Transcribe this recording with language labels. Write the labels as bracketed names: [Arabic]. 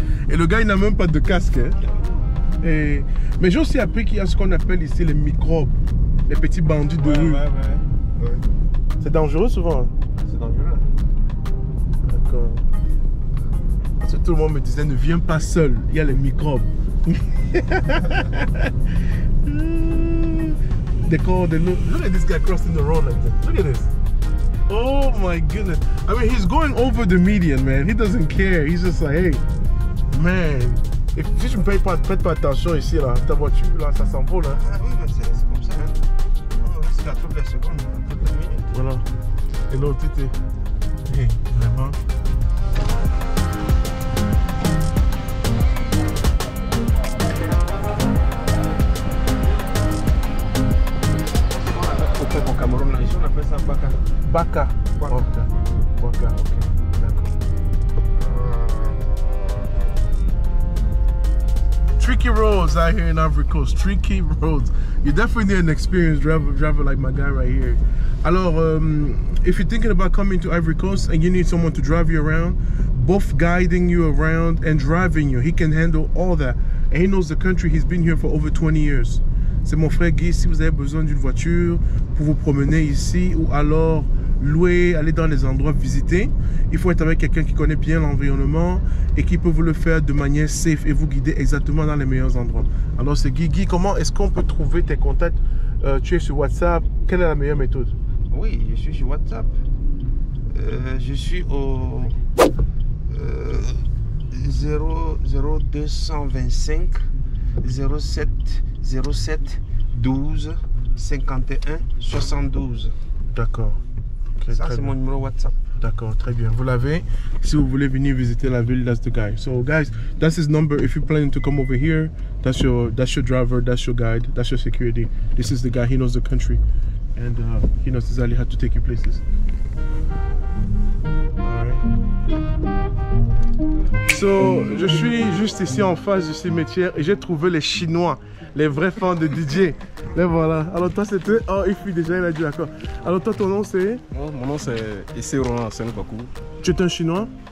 [French] Et le gars, il n'a même pas de casque. Hein. Mais j'ai aussi appris qu'il y a ce qu'on appelle ici les microbes, les petits bandits de rue. Ouais. C'est dangereux souvent. C'est dangereux. D'accord. Parce que tout le monde me disait, ne viens pas seul, il y a les microbes. [English] They call the look. Look at this guy crossing the road like that. Look at this. Oh my goodness. I mean, he's going over the median, man. He doesn't care. He's just like, hey, man. If you don't pay [French] pas attention ici, là, ta voiture, là, ça s'envole. Ah oui, mais c'est comme ça. Oh, c'est à toutes les secondes, toutes les minutes. Voilà. Et l'autre, tu t'es. Hey, vraiment. Baka. Baka. Ok. D'accord. [English] Tricky roads out here in Ivory Coast. Tricky roads. You definitely need an experienced driver like my guy right here. Alors, if you're thinking about coming to Ivory Coast and you need someone to drive you around, both guiding you around and driving you, he can handle all that. And he knows the country. He's been here for over 20 years. [French] C'est mon frère Guy. Si vous avez besoin d'une voiture pour vous promener ici ou alors louer, aller dans les endroits visités, il faut être avec quelqu'un qui connaît bien l'environnement et qui peut vous le faire de manière safe et vous guider exactement dans les meilleurs endroits. Alors c'est Guy. Guy, comment est-ce qu'on peut trouver tes contacts? Tu es sur WhatsApp. Quelle est la meilleure méthode? Oui, je suis sur WhatsApp. Je suis au 0 0 225 07 07 12 51 72. D'accord. Okay, ça, c'est bien. Mon numéro WhatsApp. D'accord, très bien. Vous l'avez. Si vous voulez venir visiter la ville, [English] that's the guy. So guys, that's his number. If you're planning to come over here, that's your driver, that's your guide, that's your security. This is the guy. He knows the country, and he knows exactly how to take you places. [French] So, je suis juste ici en face du cimetière et j'ai trouvé les Chinois, les vrais fans de DJ. Les voilà. Alors toi, c'était... Oh, il fuit déjà, il a dit d'accord. Alors toi, ton nom, c'est... Oh, mon nom, c'est Issei Roland Senkaku. Tu es un Chinois?